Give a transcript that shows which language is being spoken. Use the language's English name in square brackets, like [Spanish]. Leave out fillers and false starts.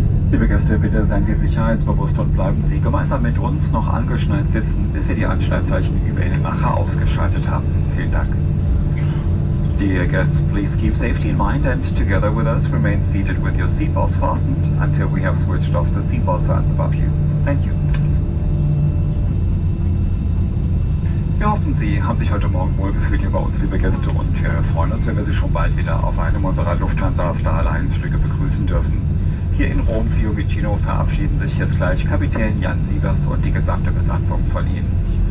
[German] Fahrgäste, bitte seien Sie sicherheitsbewusst und bleiben Sie gemeinsam mit uns noch angeschnallt sitzen, bis wir die Anschnallzeichen über Ihren Macher ausgeschaltet haben. Vielen Dank. [English] Dear guests, please keep safety in mind and together with us remain seated with your seatbelts fastened until we have switched off the seatbelt signs above you. Thank you. [German] Wir hoffen, Sie haben sich heute Morgen wohlgefühlt hier bei uns, liebe Gäste, und wir freuen uns, wenn wir Sie schon bald wieder auf einem unserer Lufthansa Star Alliance Flüge begrüßen dürfen. Hier in Rom, Fiumicino, verabschieden sich jetzt gleich Kapitän Jan Sievers und die gesamte Besatzung von Ihnen.